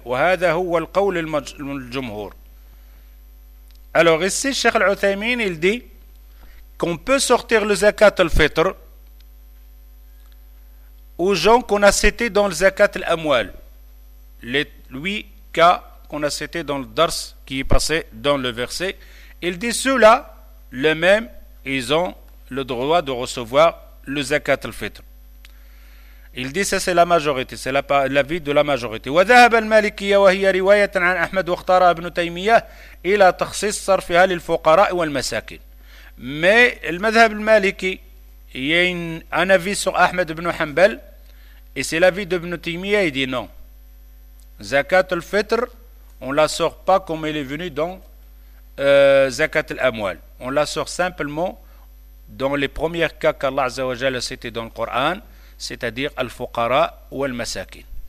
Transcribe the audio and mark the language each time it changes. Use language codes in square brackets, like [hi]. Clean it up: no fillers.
[ar] Wa hadha huwa al-qawl al-jumhur. [fr] » Alors ici, Cheikh Al-Uthaymin, il dit qu'on peut sortir le zakat al-fitr aux gens qu'on a cités dans le zakat al-amwal, les 8 cas qu'on a cités dans le dars qui est passé dans le verset, il dit ceux-là, les mêmes, ils ont le droit de recevoir le zakat al-fitr. Il dit ça c'est la majorité, c'est l'avis de la majorité. [ar] وذهب المالكية وهي رواية عن أحمد واختارها ابن تيمية إلى تخصيص صرفها للفقراء والمساكين. [fr] Mais le madhhab al-maliki, il y a un avis sur Ahmed ibn Hanbal et c'est l'avis d'Ibn Taymiyyah, il dit non. Zakat al-Fitr, on ne la sort pas comme elle est venue dans Zakat al-Amwal. On la sort simplement dans les premiers cas qu'Allah Azza wa Jalla a cité dans le Coran, c'est-à-dire al-Fuqara ou al-Masakin.